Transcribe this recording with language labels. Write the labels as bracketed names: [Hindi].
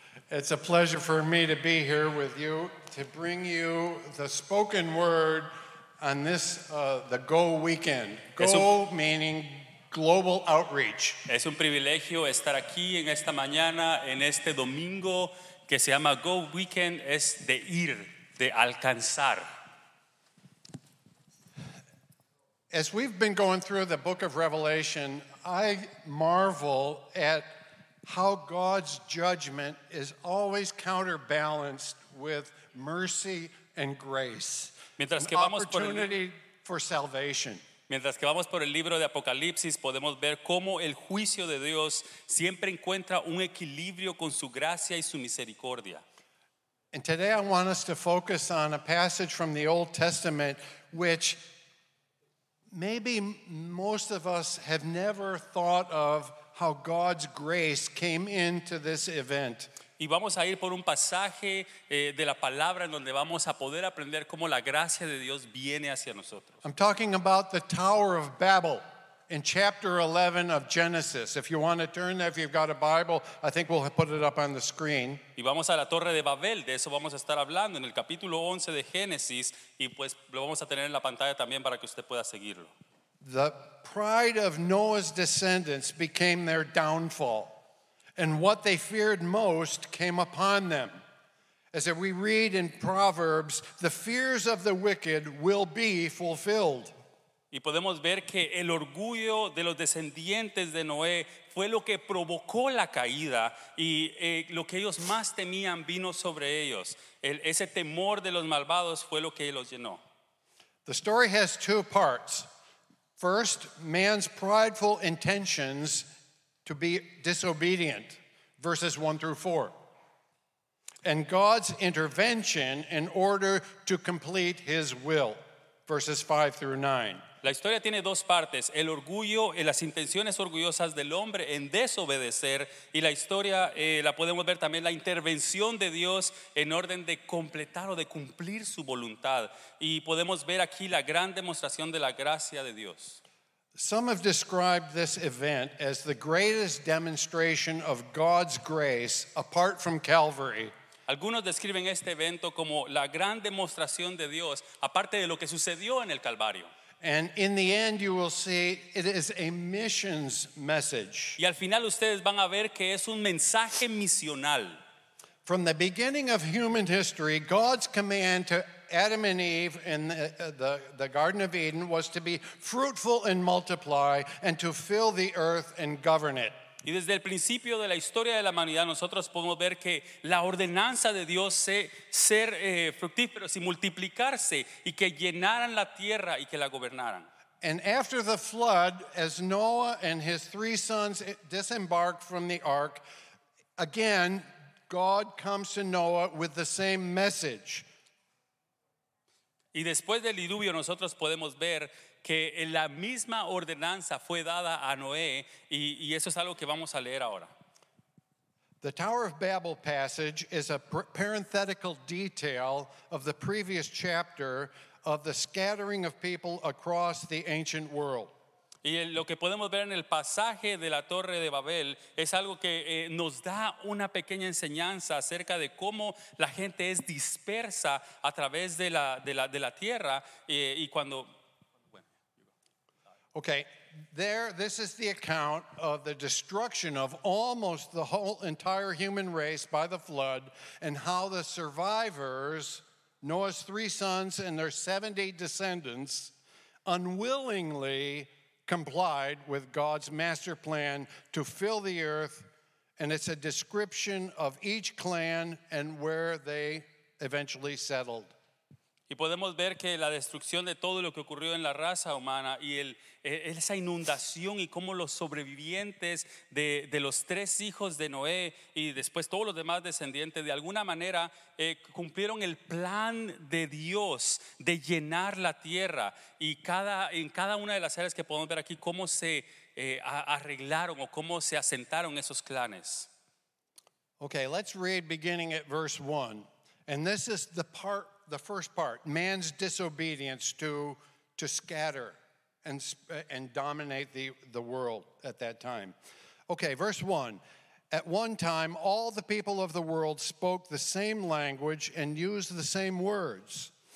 [English] It's a pleasure for me to be here with you to bring you the spoken word on this, the Go Weekend. Go meaning global outreach. [Spanish] Es un privilegio estar aquí en esta mañana, en este domingo que se llama Go Weekend, es de ir, de alcanzar. [English] As we've been going through the book of Revelation, I marvel at how God's judgment is always counterbalanced with mercy and grace. [Spanish] Mientras que vamos por salvation. Mientras que vamos por el libro de Apocalipsis, podemos ver cómo el juicio de Dios siempre encuentra un equilibrio con su gracia y su misericordia. [English] And today I want us to focus on a passage from the Old Testament which maybe most of us have never thought of how God's grace came into this event. [Spanish] Y vamos a ir por un pasaje de la palabra en donde vamos a poder aprender cómo la gracia de Dios viene hacia nosotros. [English] I'm talking about the Tower of Babel in chapter 11 of Genesis. If you want to turn there, if you've got a Bible, I think we'll put it up on the screen. [Spanish] Y vamos a la Torre de Babel, de eso vamos a estar hablando en el capítulo 11 de Génesis, y pues lo vamos a tener en la pantalla también para que usted pueda seguirlo. [English] The pride of Noah's descendants became their downfall, and what they feared most came upon them. As we read in Proverbs, the fears of the wicked will be fulfilled. [Spanish] Y podemos ver que el orgullo de los descendientes de Noé fue lo que provocó la caída, y lo que ellos más temían vino sobre ellos. Ese temor de los malvados fue lo que los llenó. [English] The story has two parts. First, man's prideful intentions to be disobedient, verses 1-4. And God's intervention in order to complete his will, verses 5-9. [Spanish] La historia tiene dos partes, el orgullo y las intenciones orgullosas del hombre en desobedecer, y la historia la podemos ver también la intervención de Dios en orden de completar o de cumplir su voluntad, y podemos ver aquí la gran demostración de la gracia de Dios. [English] Some have described this event as the greatest demonstration of God's grace apart from Calvary. [Spanish] Algunos describen este evento como la gran demostración de Dios aparte de lo que sucedió en el Calvario. [English] And in the end, you will see it is a missions message. [Spanish] Y al final ustedes van a ver que es un mensaje misional. [English] From the beginning of human history, God's command to Adam and Eve in the Garden of Eden was to be fruitful and multiply and to fill the earth and govern it. [Spanish] Y desde el principio de la historia de la humanidad, nosotros podemos ver que la ordenanza de Dios es ser fructíferos y multiplicarse y que llenaran la tierra y que la gobernaran. [English] And after the flood, as Noah and his three sons disembarked from the ark, again, God comes to Noah with the same message. [Spanish] Y después del diluvio, nosotros podemos ver que la misma ordenanza fue dada a Noé, y eso es algo que vamos a leer ahora. [English] The Tower of Babel passage is a parenthetical detail of the previous chapter of the scattering of people across the ancient world. [Spanish] Y lo que podemos ver en el pasaje de la Torre de Babel es algo que nos da una pequeña enseñanza acerca de cómo la gente es dispersa a través de la tierra, y cuando... [English] Okay, there, this is the account of the destruction of almost the whole entire human race by the flood, and how the survivors, Noah's three sons and their 70 descendants, unwillingly complied with God's master plan to fill the earth, and it's a description of each clan and where they eventually settled. [Spanish] Y podemos ver que la destrucción de todo lo que ocurrió en la raza humana y esa inundación y cómo los sobrevivientes de los tres hijos de Noé y después todos los demás descendientes de alguna manera cumplieron el plan de Dios de llenar la tierra, y en cada una de las áreas que podemos ver aquí cómo se arreglaron o cómo se asentaron esos clanes. [English] Okay, let's read beginning at verse 1. And this is the part the first part, man's disobedience to scatter and dominate the world at that time. Okay, verse 1. At one time, all the people of the world spoke the same language and used the same words.